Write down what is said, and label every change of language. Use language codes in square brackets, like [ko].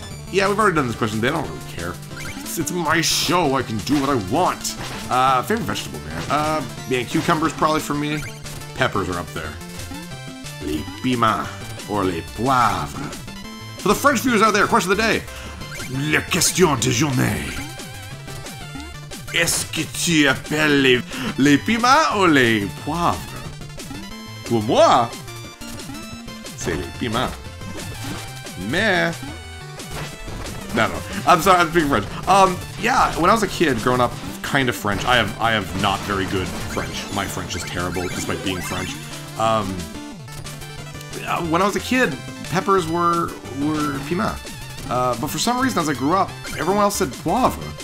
[en] Yeah, we've already done this question. They don't really care. It's my show. I can do what I want. Favorite vegetable, man. Yeah, cucumbers probably for me. Peppers are up there. [fr] Les piments. [en] Or [fr] les poivres. [en] For the French viewers out there, question of the day. [fr] La question de journée. Est-ce que tu appelles les piments ou les poivres? Pour moi, c'est les piments. Mais... [en] No. I'm sorry, I'm speaking French. When I was a kid, growing up, kind of French. I have not very good French. My French is terrible, despite being French. When I was a kid, peppers were piment. But for some reason, as I grew up, everyone else said poivre.